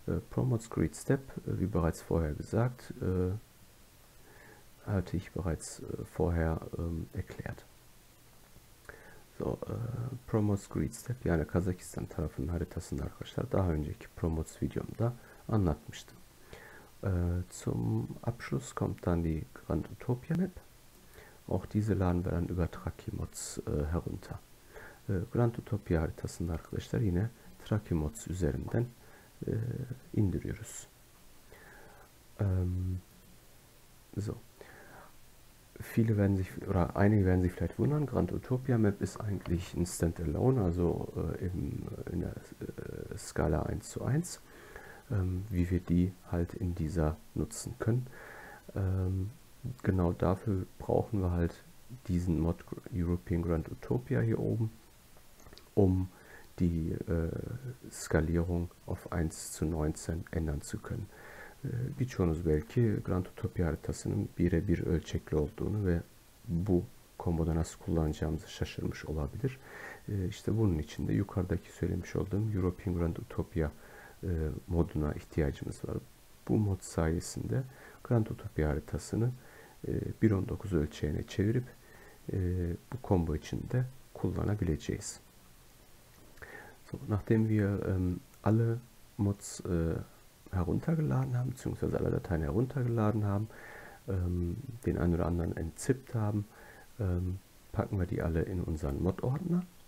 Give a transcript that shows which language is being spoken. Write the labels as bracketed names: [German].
[German] Promods Great Step, wie bereits vorher gesagt, hatte ich bereits vorher erklärt. [Turkish] So, Promods Great Step, yani Kasachistan tarafının haritasında arkadaşlar, daha önceki Promods videomda anlatmıştım. [German] Zum Abschluss kommt dann die Grand Utopia Map. Auch diese laden wir dann über Trakimods herunter. [Turkish] Grand Utopia haritasında arkadaşlar yine Trakimods üzerinden indiriyoruz. [German] So. Viele werden sich oder einige werden sich vielleicht wundern, Grand Utopia Map ist eigentlich ein Standalone, also in der Skala 1 zu 1, wie wir die halt in dieser nutzen können. Genau dafür brauchen wir halt diesen Mod European Grand Utopia hier oben, um die Skalierung auf 1 zu 19 ändern zu können. [Turkish] Birçoğunuz belki Grand Utopia haritasının birebir ölçekli olduğunu ve bu komboda nasıl kullanacağımızı şaşırmış olabilir. İşte bunun için de yukarıdaki söylemiş olduğum European Grand Utopia moduna ihtiyacımız var. Bu mod sayesinde Grand Utopia haritasını 1.19 ölçeğine çevirip bu kombo içinde kullanabileceğiz. [German] Nachdem wir alle Mods heruntergeladen haben, beziehungsweise alle Dateien heruntergeladen haben, den einen oder anderen entzippt haben, packen wir die alle in unseren Mod-Ordner.